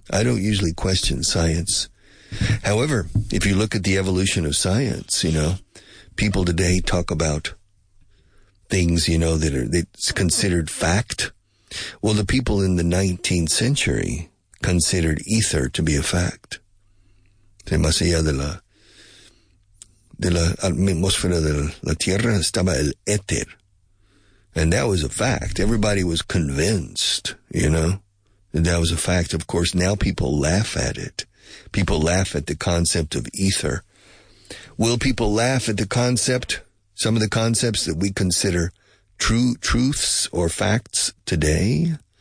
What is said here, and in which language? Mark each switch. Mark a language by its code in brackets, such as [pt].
[en] I don't usually question science. However, if you look at the evolution of science, you know, people today talk about things, you know, that's considered fact. Well, the people in the 19th century considered ether to be a fact. [es] De más allá de la atmósfera de la Tierra estaba el éter. [en] And that was a fact. Everybody was convinced, you know, that was a fact. Of course, now people laugh at it. People laugh at the concept of ether. Will people laugh at the concept, some of the concepts that we consider true truths or facts today?